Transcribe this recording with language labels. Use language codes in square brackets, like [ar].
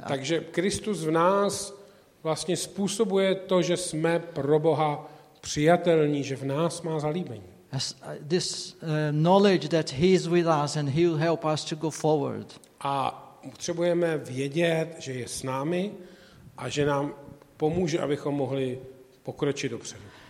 [cs] Takže Kristus v nás vlastně způsobuje to, že jsme pro Boha přijatelní, že v nás má zalíbení. [en] This knowledge that he is with us and he will help us to go forward. [cs] A potřebujeme vědět, že je s námi a že nám pomůže, abychom mohli pokročit dopředu.